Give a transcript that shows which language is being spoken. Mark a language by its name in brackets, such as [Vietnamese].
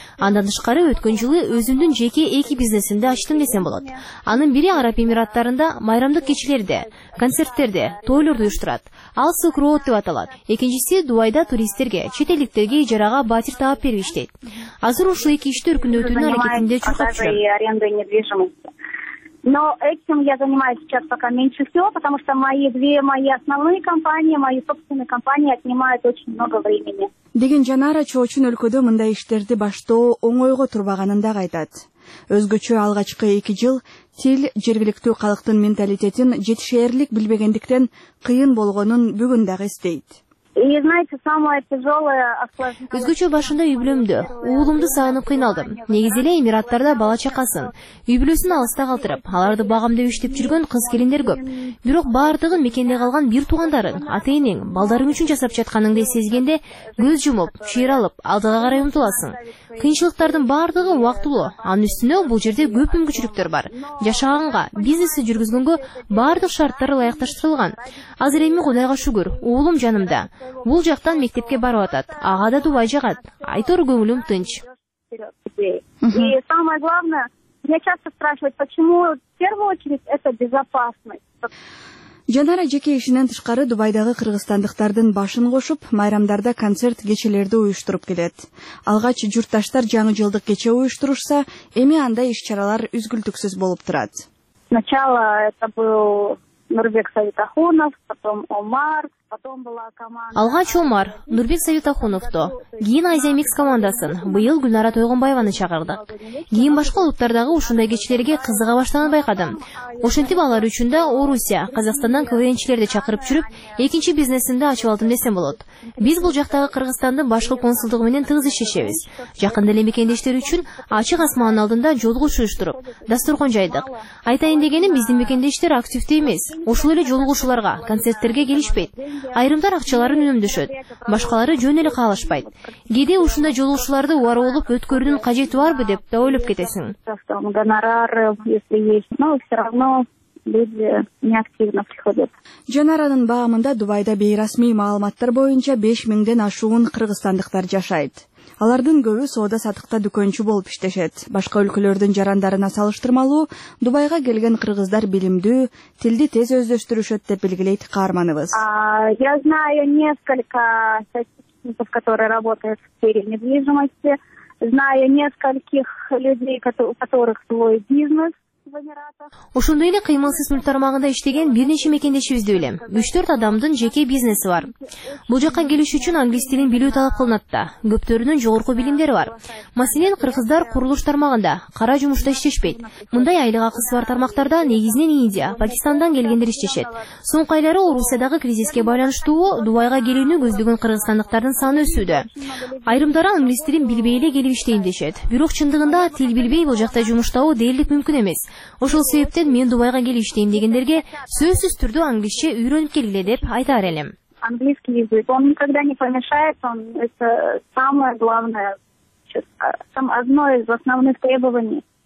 [Kyrgyz] Андан тышкары өткөн жылы өзүмдүн жеке 2 бизнесимди ачтым десем болот. Анын бири Араб Эмираттарында майрамдык кечи концерттерде, тойлорду уюштурат. Ал Silk Road деп аталат. Экинчиси Дубайда туристтерге, чет элдиктерге ижарага батир таап берип иштейт. Азыр ушул эки ишти өркүндөтүүнүн аракетинде чуркап жүрөм. [Russian] Но этим я занимаюсь сейчас пока меньше всего, потому что мои основные компании, мои собственные компании отнимают очень много времени. [Kyrgyz] Деген Жанара чоочун өлкөдө мындай иштерди баштоо оңойго турбаганын да айтат. Өзгөчө алгачкы 2 жыл тил жергиликтүү калктын менталитетин жетишээрлик билбегендиктен кыйын болгонун бүгүн дагы эстейт. Өзгөчө башында үй бүлөмдө уулумду сагынып кыйналдым. Негизи эле Эмираттарда бала чакасын, үй бүлөсүн алыста калтырып, аларды багам деп иштеп жүргөн кыз келиндер көп. Бирок баардыгын мекенде калган бир туугандарын, ата энең, балдарың үчүн жасап жатканыңды сезгенде көз жумуп, шыйра алып, алдыга карай умтуласың. Кыйынчылыктардын баардыгы убактылуу, анын үстүнө бул жерде көп мүмкүнчүлүктөр бар. Жашаганга, бизнеси жүргүзгөнгө баардык шарттар ылайыкташтырылган. Азыр эми Кудайга шүгүр, уулум жанымда. Бул жактан мектепке барып атат, ага да Дубай жагат. Айтор көңүлүм тынч. [Russian] И самое главное, меня часто спрашивают, почему в первую очередь это безопасность. [Kyrgyz] Жанара жеке ишинен тышкары Дубайдагы кыргызстандыктардын башын кошуп, майрамдарда концерт кечелерди уюштуруп келет. Алгач журтташтар жаңы жылдык кече уюштурушса, эми анда иш чаралар үзгүлтүксүз болуп турат. [Russian] Сначала это был Нурбек Саитахунов, потом Омар. [Kyrgyz] Алгач Омар, Нурбек Саютахуновду, кийин Азия Микс командасын, быйыл Гүлнара Тойгонбаеваны чакырдык. Кийин башка улуттардагы ушундай кечилерге кызыга баштаганын байкадым. Ошентип алар үчүн да Орусия, Казакстандан КВНчилерди чакырып жүрүп, экинчи бизнесимди ачып алдым десем болот. Биз бул жактагы Кыргызстандын башкы консулдугу менен тыгыз иштешебиз. Жакында эле мекендештер үчүн ачык асмандын алдында жолугуш уюштуруп, дасторгон жайдык. Айтайын дегеним, биздин мекендештер активдүү эмес. Ошол эле жолугушууларга, концерттерге келишпейт. Айрымдар акчаларын үнөмдөшөт, башкалары жөн эле каалашпайт. Кээде ушундай жолугушууларды убара болуп өткөрүүнүн кажети барбы деп да ойлоп кетесиң. [Russian] Гонорар, если есть, но все равно люди неактивно приходят. [Kyrgyz] Жанаранын баамында Дубайда бейрасмий маалыматтар боюнча 5000 ашуун кыргызстандыктар жашайт. Алардын көбү соода сатыкта дүкөнчү болуп иштешет. Башка өлкөлөрдүн жарандарына салыштырмалуу, Дубайга келген кыргыздар билимдүү, тилди тез өздөштүрүшөт деп белгилейт каарманыбыз. [Russian] Я знаю несколько сотрудников, которые работают в сфере недвижимости. Знаю нескольких людей, у которых свой бизнес. [Kyrgyz] Ошондой эле кыймылсыз мүлк тармагында иштеген бир нече мекендешибизди билем. 3-4 адамдын жеке бизнеси бар. Бул жакка келиш үчүн англис тилин билүү талап кылынат да. Көптөрүнүн жогорку билимдери бар. Маселен, кыргыздар курулуш тармагында кара жумушта иштешпейт. Мындай айлык акысы бар тармактарда негизинен Индия, Пакистандан келгендер иштешет. Соңку айлары Орусиядагы кризиске байланыштуу Дубайга келүүнү көздөгөн кыргызстандыктардын саны өсүүдө. Айрымдары англис тилин билбей эле келип иштейин дешет. Бирок чындыгында тил билбей бул жакта жумуштоо дээрлик мүмкүн эмес. Ошол себептен мен Дубайга келип иштейм дегендерге сөзсүз түрдө англисче үйрөнүп келгиле деп айтар элем. [Russian] Английский язык, он никогда не помешает, он это самое главное, одно из основных требований.